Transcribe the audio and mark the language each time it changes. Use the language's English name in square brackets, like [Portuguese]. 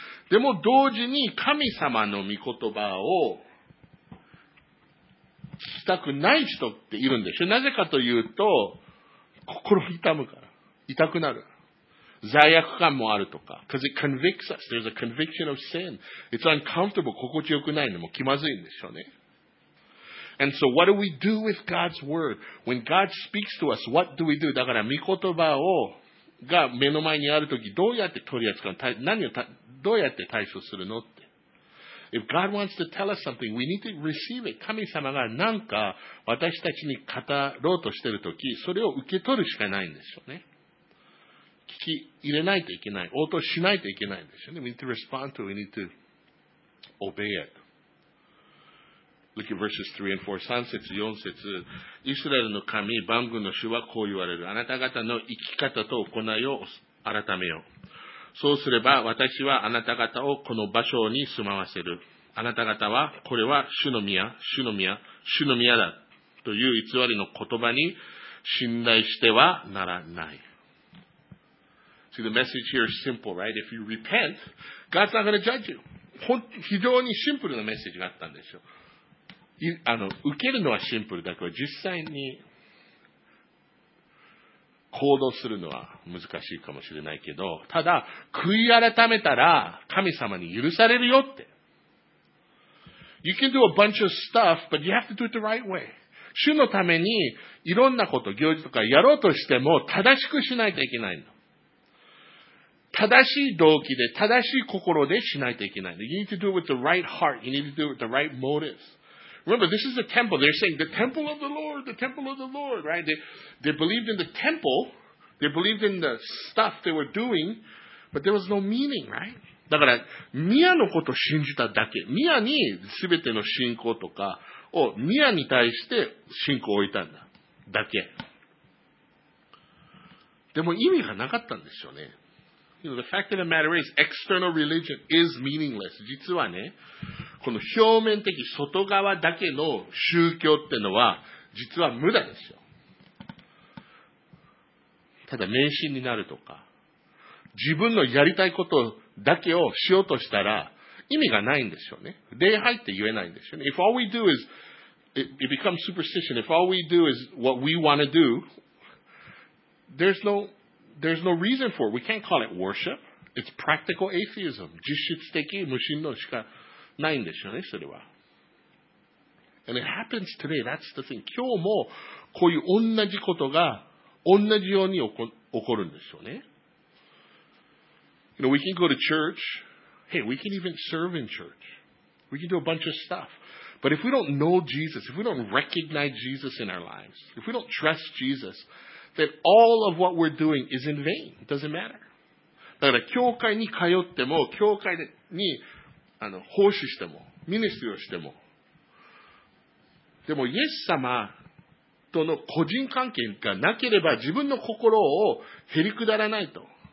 [Japanese] でも同時に神様の御言葉をしたくない人っているんでしょ。なぜかというと、心痛むから。痛くなる。罪悪感もあるとか。 [English] Because it convicts us. There's a conviction of sin. It's uncomfortable. [Japanese] 心地よくないのも気まずいんでしょうね。 [English] And so what do we do with God's word? When God speaks to us, what do we do? [Japanese] だから、御言葉を、が目の前にあるとき、どうやって取り扱う、どうやって対処するのって。 [English] If God wants to tell us something, we need to receive it. [Japanese] 神様がなんか、私たちに語ろうとしてるとき、それを受け取るしかないんでしょうね。聞き入れないといけない。応答しないといけないんでしょうね。 [English] We need to respond to it. We need to obey it. Look at verses 3 and 4. [Japanese] 3節、4節。イスラエルの神、万軍の主はこう言われる。あなた方の生き方と行いを改めよう。そうすれば、私はあなた方をこの場所に住まわせる。あなた方は、これは主の宮、主の宮、主の宮だ。という偽りの言葉に信頼してはならない。 [English] See, the message here is simple, right? If you repent, God's not going to judge you. [Japanese] 非常にシンプルなメッセージがあったんですよ。あの受けるのはシンプルだけど実際に行動するのは難しいかもしれないけどただ悔い改めたら神様に許されるよって [English] You can do a bunch of stuff but you have to do it the right way [Japanese] 主のためにいろんなこと行事とかやろうとしても正しくしないといけないの正しい動機で正しい心でしないといけないの [English] You need to do it with the right heart You need to do it with the right motives Remember, this is a temple. They're saying, the temple of the Lord, the temple of the Lord, right? They believed in the temple. They believed in the stuff they were doing. But there was no meaning, right? [Japanese] だから、宮のことを信じただけ。宮に全ての信仰とかを、宮に対して信仰を置いたんだ。だけ。でも意味がなかったんでしょうね。 [English] You know, the fact of the matter is, external religion is meaningless. [Japanese] 実はね、この表面的外側だけの宗教ってのは実は無駄ですよ。ただ迷信になるとか、自分のやりたいことだけをしようとしたら、意味がないんですよね。礼拝って言えないんですよね。 [English] If all we do is, it becomes superstition. If all we do is what we want to do, there's no reason for it. We can't call it worship. It's practical atheism. [Japanese] 実質的無神論しかないんですよね、それは。 [English] And it happens today. That's the thing. [Japanese] 今日もこういう同じことが同じように起こるんですよね。 [English] You know, we can go to church. Hey, we can even serve in church. We can do a bunch of stuff. But if we don't know Jesus, if we don't recognize Jesus in our lives, if we don't trust Jesus, then all of what we're doing is in vain. It doesn't matter. [Japanese] だから教会に通っても、教会に奉仕しても、ミニストリーをしても、でもイエス様との個人関係がなければ自分の心をへりくだらないと。